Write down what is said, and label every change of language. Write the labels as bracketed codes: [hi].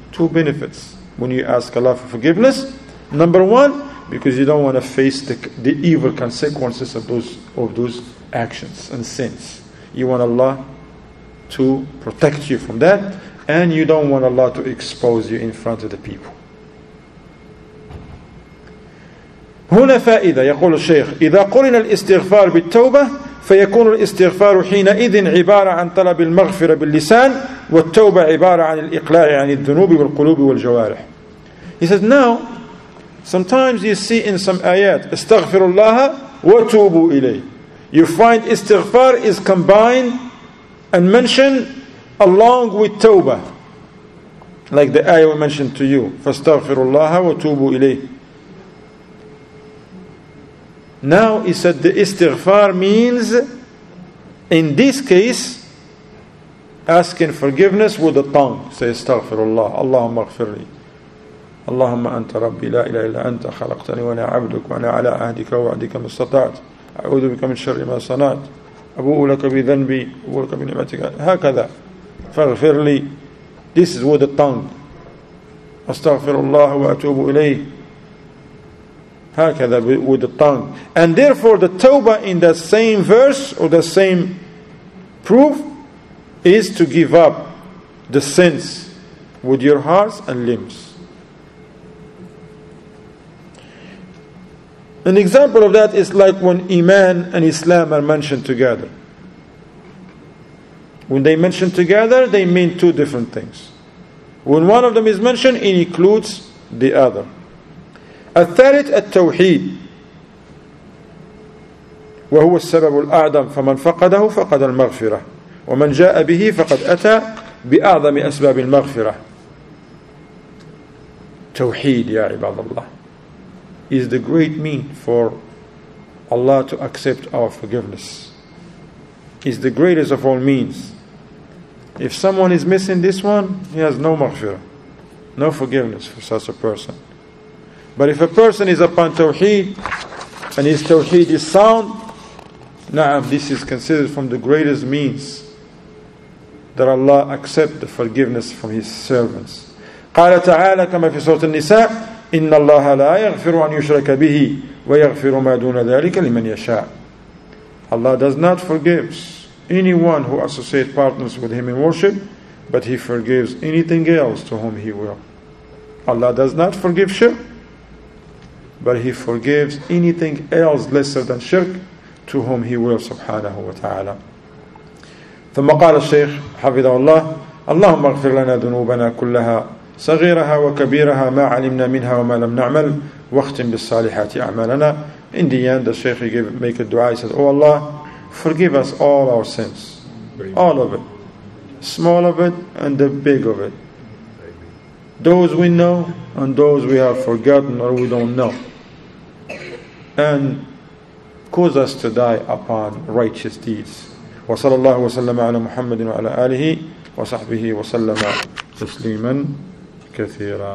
[en] Two benefits when you ask Allah for forgiveness. Number one, because you don't want to face the evil consequences of those actions and sins. You want Allah to protect you from that. And you don't want Allah to expose you in front of the people. [ar] هنا فائدة يقول الشيخ إذا قلنا الاستغفار بالتوبة فيكون الاستغفار حينئذ عبارة عن طلب المغفرة باللسان والتوبة عبارة عن الإقلاع عن الذنوب والقلوب والجوارح. [en] He says now, sometimes you see in some ayat [ar] استغفر الله وتوبوا إليه. [en] You find استغفار is combined and mentioned along with tawbah, like the ayah we mentioned to you, [ar] فاستغفروا الله وتوبوا إليه. [en] Now he said the istighfar means, in this case, asking forgiveness with the tongue. [ar] Say استغفر الله, اللهم اغفر لي, اللهم أنت ربي لا إله إلا أنت خلقتني وأنا عبدك وأنا على عهدك ووعدك ما استطعت, أعوذ بك من شر ما صنعت, أبوء لك بذنبي أبوء لك بنعمتك, هكذا. فاغفر لي. [en] This is with the tongue. [ar] أستغفر الله وأتوب إليه. [en] هكذا with the tongue. And therefore the tawbah in the same verse or the same proof is to give up the sins with your hearts and limbs. An example of that is like when Iman and Islam are mentioned together. When they mention together, they mean two different things. When one of them is mentioned, it includes the other. [ar] الثالث التوحيد وهو السبب الأعظم فمن فقده فقد المغفرة ومن جاء به فقد أتى بأعظم أسباب المغفرة. توحيد يا عباد الله [en] is the great mean for Allah to accept our forgiveness. Is the greatest of all means. If someone is missing this one, he has no maghfirah, no forgiveness for such a person. But if a person is upon tawheed, and his tawheed is sound, na'am, this is considered from the greatest means that Allah accept the forgiveness from his servants. [ar] قال تعالى كما في سورة النساء إن الله لا يغفر أن يشرك به ويغفر ما دون ذلك لمن يشاء. [en] Allah does not forgive anyone who associates partners with him in worship, but he forgives anything else to whom he will. Allah does not forgive shirk, but he forgives anything else lesser than shirk to whom he will, subhanahu wa ta'ala. [ar] ثم قال الشيخ حفظه الله: اللهم اغفر لنا ذنوبنا كلها صغيرها وكبيرها ما علمنا منها وما لم نعمل واختم بالصالحات أعمالنا. [en] In the end, the Shaykh make a dua. He says, "Oh Allah, forgive us all our sins, all of it, small of it and the big of it, those we know and those we have forgotten or we don't know, and cause us to die upon righteous deeds." [ar] وصلى الله وسلم على محمد وعلى آله وصحبه وسلم تسليما كثيرا.